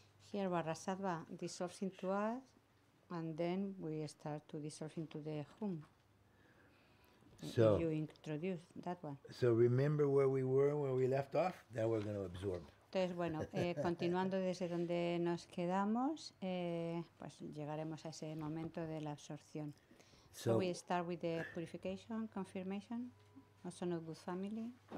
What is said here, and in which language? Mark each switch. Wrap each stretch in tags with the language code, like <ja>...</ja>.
<en>Here Vajrasattva dissolves into us, and then we start to dissolve into the hum. So you introduce that one. So remember where we were, where we left off. Now we're going to absorb.</en> <es>Entonces bueno, continuando desde donde nos quedamos, pues llegaremos a ese momento de la absorción.</es> <en>So we start with the purification, confirmation, Son of Good Family.</en>